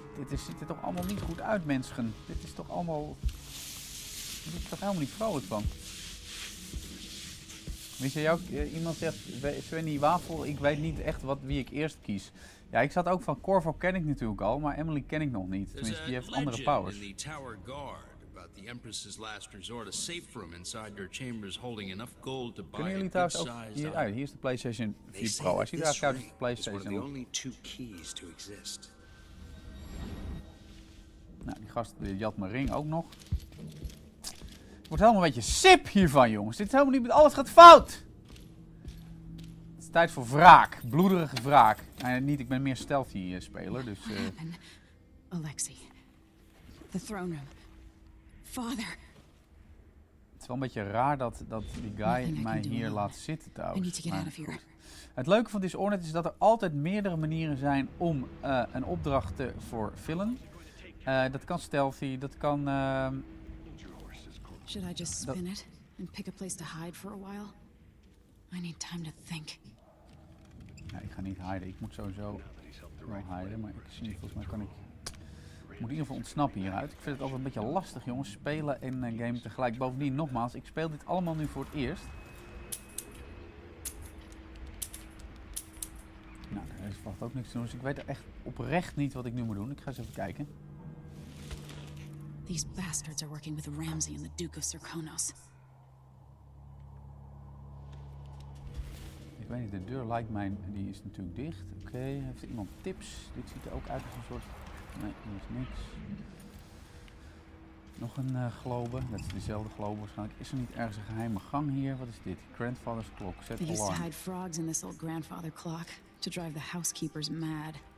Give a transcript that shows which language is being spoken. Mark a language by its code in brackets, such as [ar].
[nl] Ziet er toch allemaal niet goed uit, mensen. Dit is toch allemaal... Daar ben ik toch helemaal niet vrolijk van. Wist jij ook, iemand zegt, Svenny Wafel, ik weet niet echt wie ik eerst kies. Ja, ik zat ook van Corvo ken ik natuurlijk al, maar Emily ken ik nog niet. Tenminste, die heeft andere powers. [en] The Empress's last resort, a safe room inside your chambers holding enough gold to buy a good sized item. Here's the PlayStation 4 Pro. I see that couch is the PlayStation 4. The only two keys to exist. [nl] Nou, die gast die jat mijn ring ook nog. Ik word helemaal een beetje sip hiervan, jongens. Dit is helemaal niet met alles gaat fout. Het is tijd voor wraak. Bloederige wraak. Niet, ik ben meer stealthy speler, dus... Alexei. [en] The throne room. Father. [nl] Het is wel een beetje raar dat die guy mij hier laat zitten trouwens. Het leuke van Dishonored is dat er altijd meerdere manieren zijn om een opdracht te vervullen. Dat kan stealthy, dat kan... [en] Should I just spin it and pick a place to hide for a while? I need time to think. [nl] Ja, ik ga niet hiden, ik moet sowieso wel hiden, maar ik zie volgens mij kan ik... Ik moet in ieder geval ontsnappen hieruit. Ik vind het altijd een beetje lastig, jongens. Spelen en game tegelijk. Bovendien, nogmaals, ik speel dit allemaal nu voor het eerst. Nou, daar is vast ook niks te doen. Dus ik weet echt oprecht niet wat ik nu moet doen. Ik ga eens even kijken. [en] These bastards are working with Ramsay and the Duke of Cirkonos. [nl] Ik weet niet, de deur lijkt mij. Die is natuurlijk dicht. Oké, heeft er iemand tips? Dit ziet er ook uit als een soort. Nee, dat is niks. Nog een globe. Dat is dezelfde globe waarschijnlijk. Is er niet ergens een geheime gang hier? Wat is dit? [en] Grandfather's clock. [nl] Zet alarm. [en] They used to hide frogs in this old grandfather clock to drive the housekeepers mad.